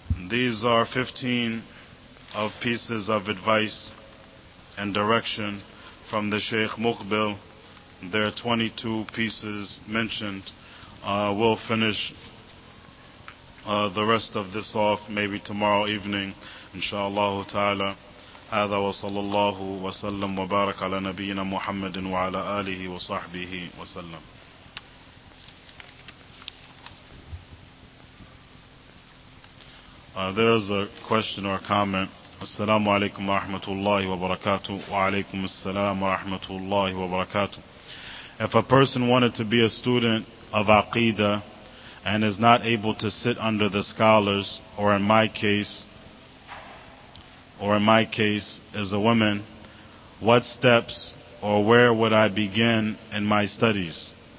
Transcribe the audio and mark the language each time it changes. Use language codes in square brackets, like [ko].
[en] These are 15 of pieces of advice and direction from the Shaykh Muqbil. There are 22 pieces mentioned. We'll finish the rest of this off maybe tomorrow evening, inshallah ta'ala. [ar] هذا وصلى الله وسلم وبارك على نبينا محمد وعلى آله وصحبه وسلم. [en] There's a question or a comment. [ar] السلام عليكم ورحمة الله وبركاته. وعليكم السلام ورحمة الله وبركاته. [en] If a person wanted to be a student of Aqidah and is not able to sit under the scholars, or in my case is a woman, what steps or where would I begin in my studies?